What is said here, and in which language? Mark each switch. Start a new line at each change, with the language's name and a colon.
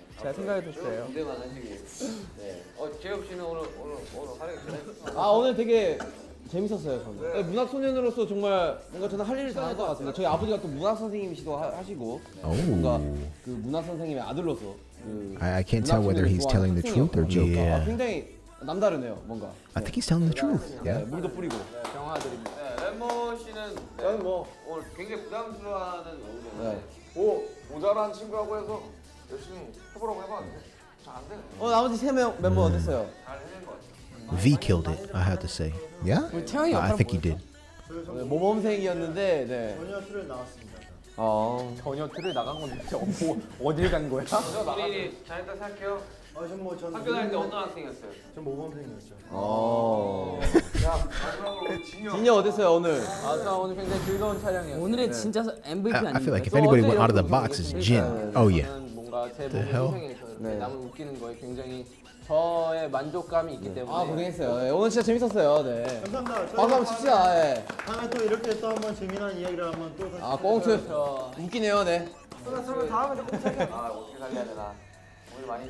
Korean: 제가 생각해뒀어요. 무대 많으시고. 네. 제이홉 씨는 오늘 하루 아 오늘 되게 재밌었어요 저는. 네. 문학 소년으로서 정말 뭔가 저는 할 일을 다 할 것 같은데 저희 아버지가 또 문학 선생님이시도 하시고 뭔가 그 문학 선생님의 아들로서. 그
English: I can't tell whether he's telling the truth or joking.
Korean: Yeah. 굉장히 남다르네요 뭔가.
English: I think he's telling the truth. Yeah. 네,
Korean: 물도 뿌리고. 네, 경화드립니다. 네, 레모 씨는 네, 뭐 오늘 굉장히 부담스러워하는 얼굴인데. 네. 모자란 친구라고 해서 열심히 해보라고 해봤는데 잘 안되네. 나머지 세 명 멤버 어땠어요? 잘 해낸 것 같아요.
English: V killed it, I have to say. Yeah?
Korean: 우리 태형이 역할을
English: I think
Korean: 보였어?
English: He did.
Korean: 모범생이었는데 네. 전혀 틀을 나갔습니다. 전혀 틀을 나간 건 대체 어딜 간 거야? 선생님 잘했다 생각해요. 전 학교 다닐 때 어떤 학생이었어요? 전 모범생이었죠. 진이 어땠어요 오늘? 아, 오늘 굉장히 즐거운 촬영이었어요. 오늘의 진짜 MVP 아닙니까?
English: I feel like if anybody went out of the box, it's Jin. Oh yeah.
Korean: 뭔가 제 모범생에서 남은 웃기는 거에 굉장히 저의 만족감이 있기 때문에 아 고생했어요. 네, 오늘 진짜 재밌었어요. 네. 감사합니다. 박수 한번 칩시다. 네. 다음에 또 이렇게 또 한번 재미난 이야기를 한번 또 아 꽁트 웃기네요. 네. 그럼 다음에 또 꽁트 어떻게 살려야 되나. 많이